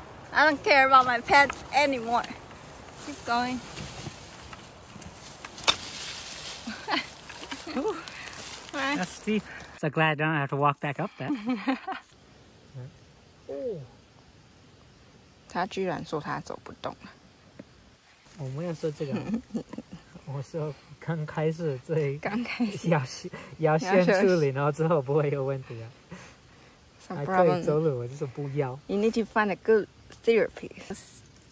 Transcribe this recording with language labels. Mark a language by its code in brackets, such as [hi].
[en] I don't care about my pets anymore. Keep going. Ooh, that's steep. So glad I don't have to walk back up then. [zh] 他居然说他走不动了。我没有说这个，我说刚开始最要先处理，然后之后不会有问题啊。还可以走路，我就是不要。 [en] You need to find a good therapist.